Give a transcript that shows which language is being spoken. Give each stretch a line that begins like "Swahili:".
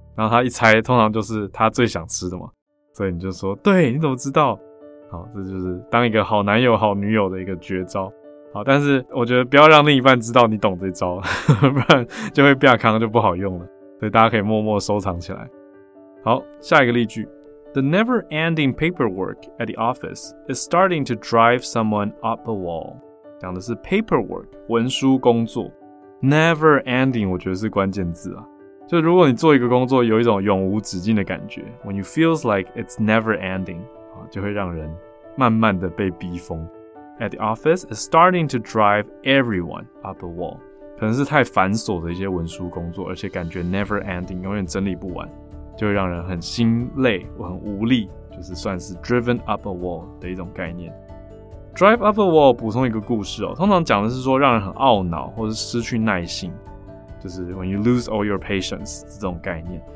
Chinese: 然后他一猜，通常就是他最想吃的嘛，所以你就说，对，你怎么知道？好，这就是当一个好男友好女友的一个绝招。好，但是我觉得不要让另一半知道你懂这招，呵呵，不然就会变康，就不好用了，所以大家可以默默收藏起来。好，下一个例句。
English: The never-ending paperwork at the office is starting to drive someone up a wall.
Chinese: 讲的是 paperwork, 文书工作。Never-ending 我觉得是关键字啊。就如果你做一个工作有一种永无止境的感觉 ,
English: when you feels like it's never-ending,
Chinese: 就会让人慢慢的被逼疯。
English: At the office is starting to drive everyone up a wall.
Chinese: 可能是太繁琐的一些文书工作，而且感觉 never-ending, 永远整理不完。就会让人很心累，我很无力，就是算是
English: driven up a wall
Chinese: 的一种概念。
English: Drive up a wall
Chinese: 补充一个故事哦，通常讲的是说让人很懊恼或是失去耐心，就是
English: when you lose all your patience
Chinese: 这种概念。